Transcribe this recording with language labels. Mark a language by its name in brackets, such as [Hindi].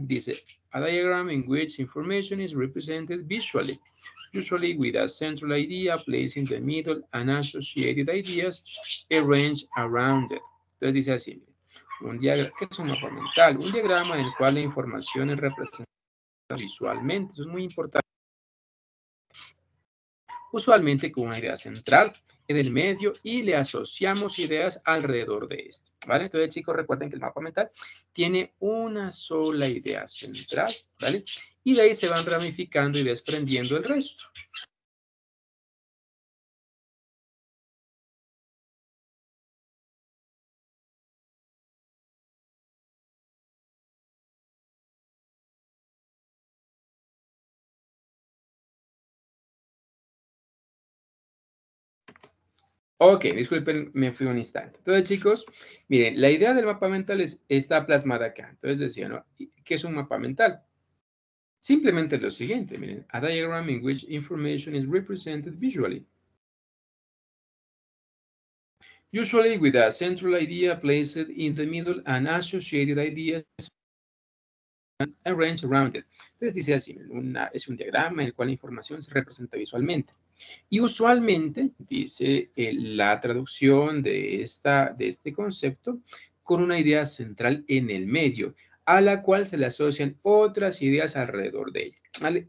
[Spanish] Dice, [English] a diagram in which information is represented visually, usually with a central idea placed in the middle and associated ideas arranged around it. [Spanish] Entonces dice así, un diagrama, que es un mapa mental, un diagrama en el cual la información es representada visualmente. Eso es muy importante. Usualmente con una idea central en el medio y le asociamos ideas alrededor de esto, ¿vale? Entonces, chicos, recuerden que el mapa mental tiene una sola idea central, ¿vale? Y de ahí se van ramificando y desprendiendo el resto. Ok, disculpen, me fui un instante. Entonces, chicos, miren, la idea del mapa mental está plasmada acá. Entonces, decía, ¿no? ¿Qué es un mapa mental? Simplemente lo siguiente, miren. [English] A diagram in which information is represented visually. Usually with a central idea placed in the middle and associated ideas arranged around it. [Spanish] Entonces, dice así, es un diagrama en el cual la información se representa visualmente. Y usualmente, dice la traducción de este concepto, con una idea central en el medio, a la cual se le asocian otras ideas alrededor de ella. ¿Vale?